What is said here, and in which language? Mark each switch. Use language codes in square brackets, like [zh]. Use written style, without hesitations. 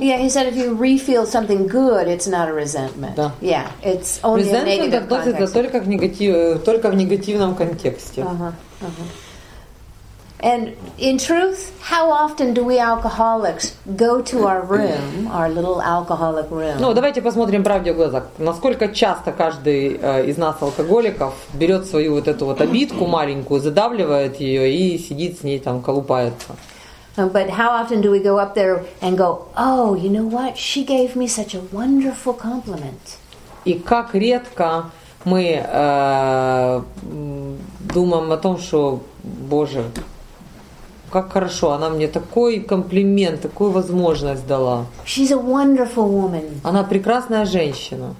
[en] Yeah, he said if you re-feel something good, it's not a resentment. [ru] Да. [en] Yeah, it's only resentment a negative context. [ru] Resentment относится только в негативном контексте. [en] And in truth, how often do we alcoholics go to our room, our little alcoholic room? [ru] Ну, давайте посмотрим правде в глаза. Насколько часто каждый из нас алкоголиков берет свою вот эту вот обидку маленькую, задавливает ее и сидит с ней там колупается. [en] But how often do we go up there and go, oh, you know what? She gave me such a wonderful compliment. [ru] И как редко мы думаем о том, что, Боже. Как хорошо, она мне такой комплимент, такую возможность дала. [en] She's a wonderful woman. [ru] Она прекрасная женщина.